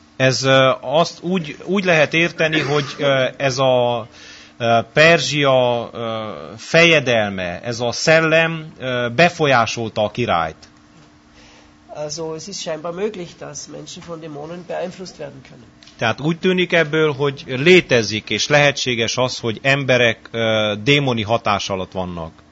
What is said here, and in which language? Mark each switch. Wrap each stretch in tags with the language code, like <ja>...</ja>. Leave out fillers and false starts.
<hu>Ez azt úgy lehet érteni, hogy ez a Perzsia fejedelme, ez a szellem befolyásolta a királyt.</hu> <de>Also es ist scheinbar möglich, dass Menschen von Dämonen beeinflusst werden können.</de> <hu>Tehát úgy tűnik ebből, hogy létezik és lehetséges az, hogy emberek démoni hatás alatt vannak.</hu>